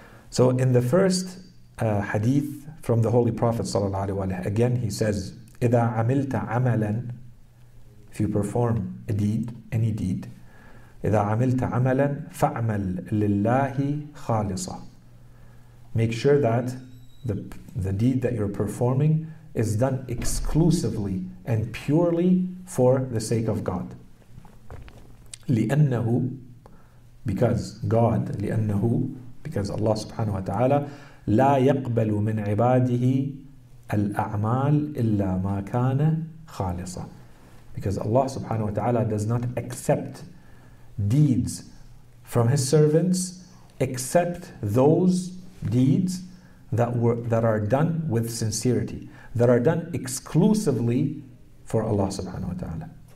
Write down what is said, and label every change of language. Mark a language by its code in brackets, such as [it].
[en] So in the first hadith from the Holy Prophet sallallahu alaihi wasallam, again he says, [ar] إِذَا عَمِلْتَ عَمَلًا, [en] if you perform a deed, any deed, [ar] إِذَا عَمِلْتَ عَمَلًا فَعْمَلْ لِلَّهِ خَالِصًا. [en] Make sure that the deed that you're performing is done exclusively and purely for the sake of God. [ar] لِأَنَّهُ, [en] because God, [ar] لِأَنَّهُ, [en] because Allah subhanahu wa ta'ala, [ar] لَا يَقْبَلُ مِنْ عِبَادِهِ الْأَعْمَالِ إِلَّا مَا كَانَ خَالِصًا. [en] Because Allah subhanahu wa ta'ala does not accept deeds from His servants except those deeds that are done with sincerity, that are done exclusively for Allah subhanahu wa ta'ala.